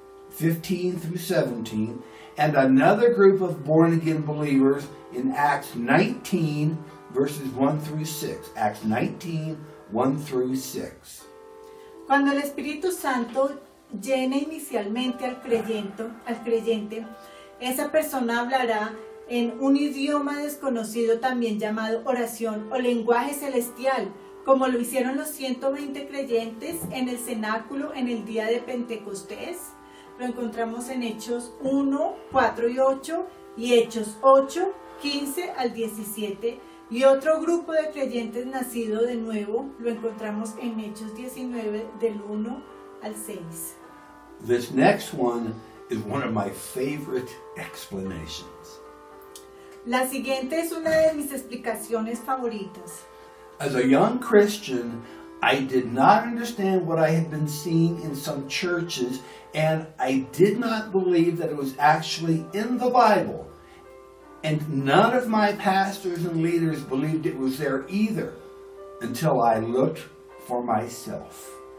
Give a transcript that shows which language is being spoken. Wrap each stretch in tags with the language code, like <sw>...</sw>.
<en>15 through 17, and another group of born-again believers in Acts 19, verses 1 through 6. Acts 19, 1 through 6.</en> <es>Cuando el Espíritu Santo llena inicialmente al creyente, esa persona hablará en un idioma desconocido también llamado oración o lenguaje celestial, como lo hicieron los 120 creyentes en el cenáculo en el día de Pentecostés. Lo encontramos en Hechos 1, 4 y 8, y Hechos 8, 15 al 17. Y otro grupo de creyentes nacido de nuevo lo encontramos en Hechos 19, del 1 al 6.</es> <en>This next one is one of my favorite explanations.</en> <es>La siguiente es una de mis explicaciones favoritas.</es> <en>As a young Christian, I did not understand what I had been seeing in some churches, and I did not believe that it was actually in the Bible. And none of my pastors and leaders believed it was there either, until I looked for myself.</en>